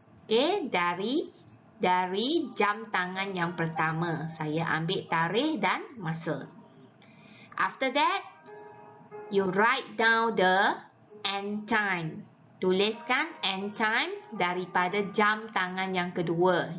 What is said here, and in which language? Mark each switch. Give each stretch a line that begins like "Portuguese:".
Malay: Okay, dari jam tangan yang pertama saya ambil tarikh dan masa.
English: After that, you write down the end time.
Malay: Tuliskan end time daripada jam tangan yang kedua.